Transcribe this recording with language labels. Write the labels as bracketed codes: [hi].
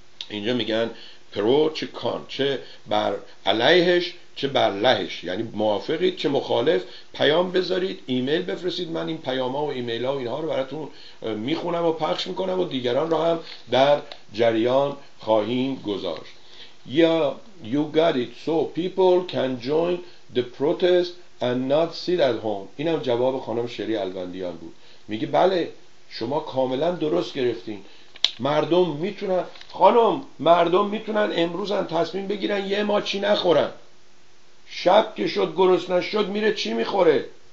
[fa] اینجا میگن پرو چه کان، چه بر علیهش چه بر لهش، یعنی موافقید چه مخالف، پیام بذارید، ایمیل بفرستید، من این پیام ها و ایمیل ها و اینها رو براتون میخونم و پخش میکنم و دیگران رو هم در جریان خواهیم گذاشت. [en] یا yeah, you got it, so people can join the protest and not sit at home. [fa] اینم جواب خانم شری الوندیان بود. میگه بله، شما کاملا درست گرفتین، مردم میتونن، خانم مردم میتونن امروز هم تصمیم بگیرن یه ما چی نخورن، شب که شد گرسنه شد میره چی میخوره.